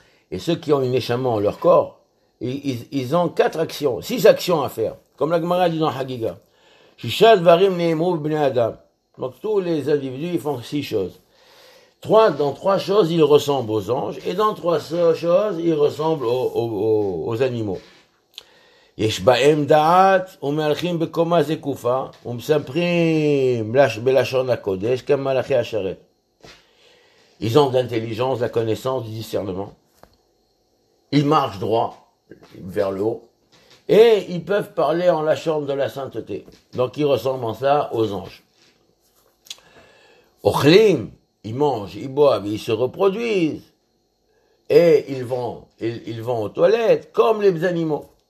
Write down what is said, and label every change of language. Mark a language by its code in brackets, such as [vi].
[fr] Et ceux qui ont une neshama en leur corps, ils ont 4 actions, 6 actions à faire, comme la Gemara dit dans Hagiga. [he] Shishad varim neimru b'nei Adam. [fr] Donc tous les individus, ils font 6 choses. Dans trois choses, ils ressemblent aux anges, et dans 3 choses, ils ressemblent aux animaux. [he] יש בהם דעת ומהלכים בקומה זקופה ומספרים בלשון הקודש כמלאכי השרת. [fr] Ils ont l'intelligence, la connaissance, du discernement. Ils marchent droit vers le haut et ils peuvent parler en la chambre de la sainteté. Donc ils ressemblent en ça aux anges. [he] אוכלים, [fr] ils mangent, ils boivent, ils se reproduisent et ils vont aux toilettes comme les animaux.